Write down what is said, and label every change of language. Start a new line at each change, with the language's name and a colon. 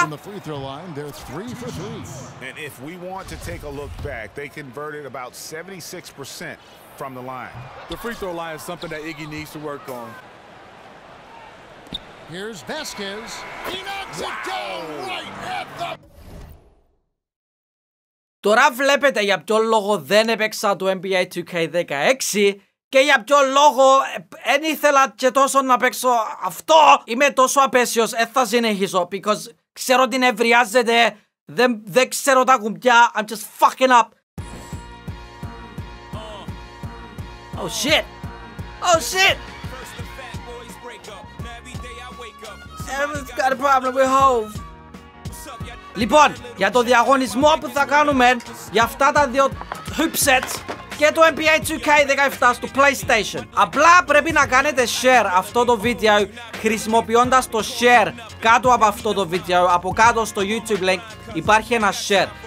English: From the free throw line, they're three for three. And if we want to take a look back, they converted about 76%. From the line. The free throw line is something that Iggy needs to work on. Here's Vasquez. He knocks it down right at the.
Greek: Τώρα βλέπετε για ποιο λόγο δεν έπαιξα το NBA 2K16 και για ποιο λόγο δεν ήθελα και τόσο να παίξω αυτό. Είμαι τόσο απέσιος, δεν θα συνεχίσω. Because ξέρω ότι νευριάζεται, δεν ξέρω τα κουμπιά.
English: I'm just fucking up. Oh shit! Oh shit! Everyone's got a problem with Hove.
Greek: Λοιπόν, για το διαγωνισμό που θα κάνουμε για αυτά τα δύο hoopsets και το NBA 2K17 στο PlayStation, απλά πρέπει να κάνετε share αυτό το βίντεο χρησιμοποιώντας το share κάτω από αυτό το βίντεο, από κάτω στο YouTube link υπάρχει ένα share.